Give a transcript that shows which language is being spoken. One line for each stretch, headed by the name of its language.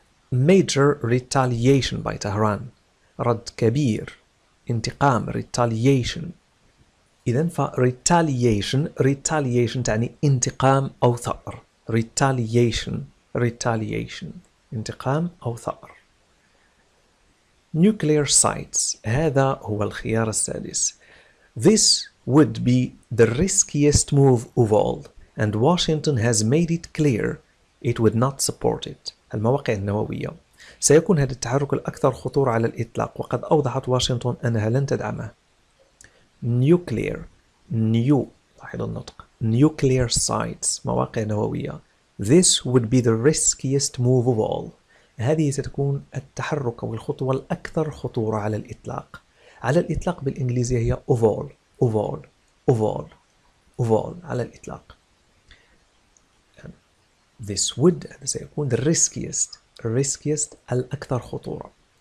English: Major retaliation by Tehran,
Arabic: رد كبير, انتقام,
English: retaliation.
Arabic: إذن ف
English: retaliation, retaliation
Arabic: تعني انتقام أو ثأر.
English: Retaliation, retaliation,
Arabic: انتقام أو ثأر.
English: Nuclear sites,
Arabic: هذا هو الخيار السادس.
English: This would be the riskiest move of all, and Washington has made it clear it would not support it.
Arabic: المواقع النووية سيكون هذا التحرك الأكثر خطورة على الإطلاق، وقد أوضحت واشنطن أنها لن تدعمه.
English: Nuclear, new،
Arabic: لاحظوا النطق.
English: Nuclear sites،
Arabic: مواقع نووية.
English: This would be the riskiest move of all.
Arabic: هذه ستكون التحرك أو الخطوة الأكثر خطورة على الإطلاق. على الإطلاق بالإنجليزية هي
English: of all, of all, of all, of all،
Arabic: على الإطلاق.
English: This would,
Arabic: هذا سيكون
English: the riskiest, riskiest،
Arabic: الأكثر خطورة.